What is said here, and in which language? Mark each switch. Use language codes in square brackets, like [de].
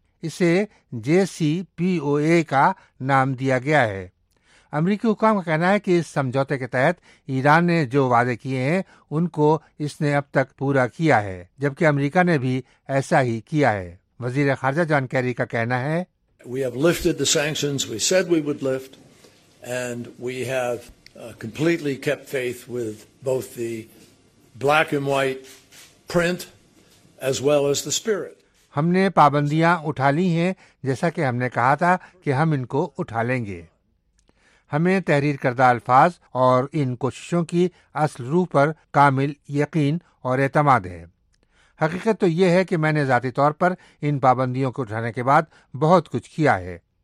[ur] اسے JCPOA کا نام دیا گیا ہے. امریکی حکام کا کہنا ہے کہ اس سمجھوتے کے تحت ایران نے جو وعدے کیے ہیں ان کو اس نے اب تک پورا کیا ہے, جبکہ امریکہ نے بھی ایسا ہی کیا ہے. وزیر خارجہ جان کیری کا کہنا ہے, [en] We have lifted the sanctions we said we would lift and we have completely kept faith with both the black and white print as well as the spirit. [ur] ہم نے پابندیاں اٹھا لی ہیں جیسا کہ ہم نے کہا تھا کہ ہم ان کو اٹھا لیں گے. ہمیں تحریر کردہ الفاظ اور ان کوششوں کی اصل روح پر کامل یقین اور اعتماد ہے. حقیقت تو یہ ہے کہ میں نے ذاتی طور پر ان پابندیوں کو اٹھانے کے بعد بہت کچھ کیا ہے.